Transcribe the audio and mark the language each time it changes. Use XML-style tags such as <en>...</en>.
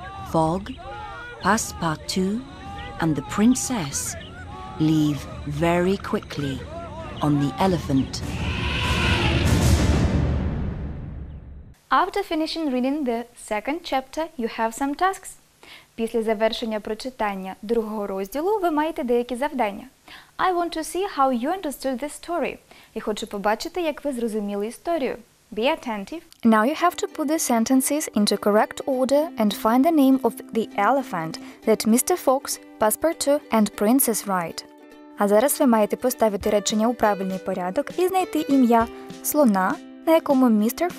<en>Fogg, Passepartout, and the princess leave very quickly on the elephant. After finishing reading the second chapter, you have some tasks.</en> <uk>Після завершення прочитання другого розділу ви маєте деякі завдання.</uk> <en>I want to see how you understood the story.</en> <uk>Я хочу побачити, як ви зрозуміли історію.</uk> <en>Be attentive. Now you have to put the sentences into correct order and find the name of the elephant that Mr. Fox, Passepartout and Princess ride.</en> <uk>А зараз ви маєте поставити речення у правильний порядок і знайти ім'я слона, на якому Mr.</uk>